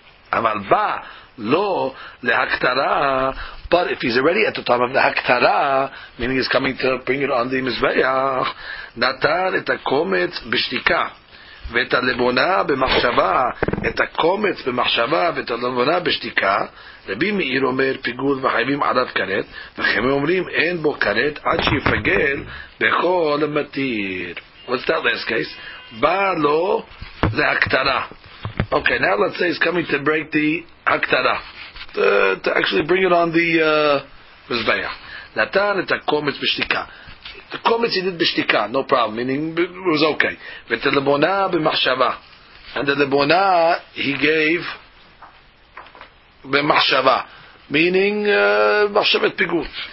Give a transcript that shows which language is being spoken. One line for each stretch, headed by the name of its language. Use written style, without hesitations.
Hebrew: Aval ba lo lehaktara.
English: But if he's already at the time of the haktara, meaning he's coming to bring it on the mizbeach,
Hebrew: natan et hakometz b'shtika. ואת הלבונה במחשבה, את הקומץ במחשבה, ואת הלבונה בשתיקה, רבי מאיר אומר פיגול וחייבים עליו קרת, וכם אומרים אין בו קרת עד שיפגל בכל מתיר.
English: What's that last case?
Hebrew: בא לו להקטרה.
English: Okay, now let's say he's coming to break the הקטרה. To actually bring it on the מזבח.
Hebrew: נתן את הקומץ בשתיקה.
English: The comments he did b'shtika, no problem, meaning it was okay. But the lebona b'machshava, and the lebona he gave b'machshava, meaning machshavet pigut.